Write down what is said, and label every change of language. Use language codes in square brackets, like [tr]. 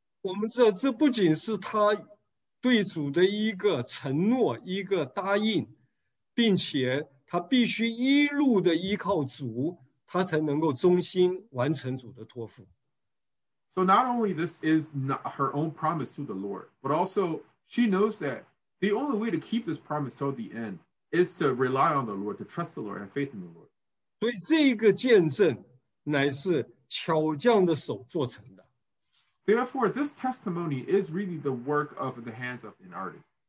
[zh] 我们知道这不仅是她对主的一个承诺，一个答应，并且她必须一路的依靠主，她才能够忠心完成主的托付。 [en] So not only this is not her own promise to the Lord, but also she knows that the only way to keep this promise till the end is to rely on the Lord, to trust the Lord, and faith in the Lord. [zh] 所以这个见证乃是巧匠的手做成的。 [en] Therefore, this testimony is really the work of the hands of an artist.